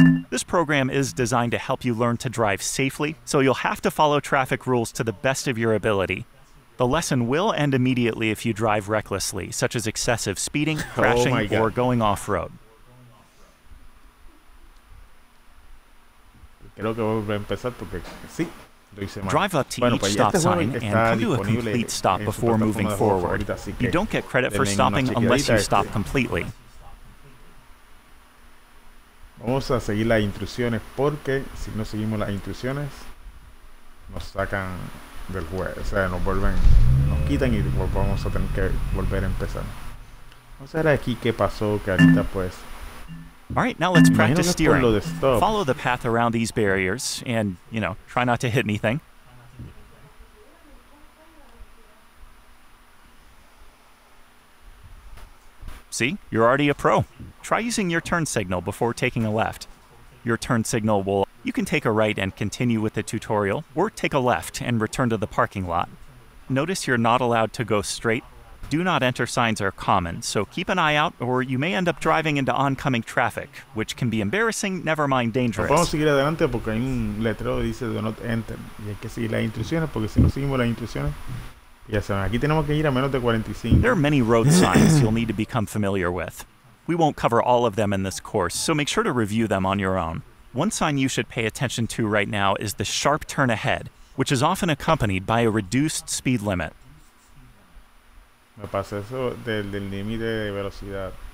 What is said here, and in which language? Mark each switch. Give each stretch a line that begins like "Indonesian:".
English: This program is designed to help you learn to drive safely, so you'll have to follow traffic rules to the best of your ability. The lesson will end immediately if you drive recklessly, such as excessive speeding, crashing, or going off-road.
Spanish: Creo que voy a empezar porque sí, lo hice mal.
English: Drive up to each stop sign and come to a complete stop before moving forward. You don't get credit for stopping unless you stop completely.
Spanish: Vamos a seguir las instrucciones porque si no seguimos las instrucciones nos sacan del juego, o sea, nos vuelven, nos quitan y vamos a tener que volver a empezar. ¿No será aquí qué pasó que ahorita pues?
English: All right, now let's practice steering. Follow the path around these barriers and, you know, try not to hit anything. See? You're already a pro. Try using your turn signal before taking a left. Your turn signal will... You can take a right and continue with the tutorial, or take a left and return to the parking lot. Notice you're not allowed to go straight. Do not enter signs are common, so keep an eye out, or you may end up driving into oncoming traffic, which can be embarrassing, never mind dangerous.
Spanish: Vamos a seguir adelante porque hay un letrero que dice
English: do not enter,
Spanish: y hay que seguir las instrucciones porque si no seguimos las instrucciones, ya saben, aquí tenemos que ir a menos de 45.
English: There are many road signs you'll need to become familiar with. We won't cover all of them in this course, so make sure to review them on your own. One sign you should pay attention to right now is the sharp turn ahead, which is often accompanied by a reduced speed limit.
Spanish: Me pasa eso del límite de velocidad.